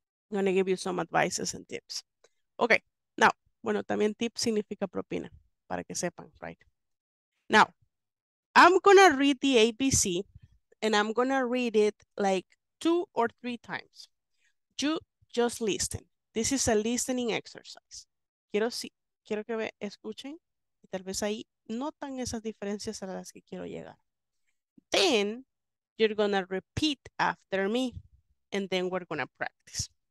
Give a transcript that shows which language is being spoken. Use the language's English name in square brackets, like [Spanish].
[English] I'm gonna give you some advices and tips. Okay, now, [Spanish] bueno, también tips significa propina, para que sepan, right? [English] Now, I'm gonna read the ABC, and I'm gonna read it like two or three times. You just listen. This is a listening exercise. [Spanish] Quiero que me escuchen y tal vez ahí notan esas diferencias a las que quiero llegar. [English] Then you're gonna repeat after me and then we're gonna practice.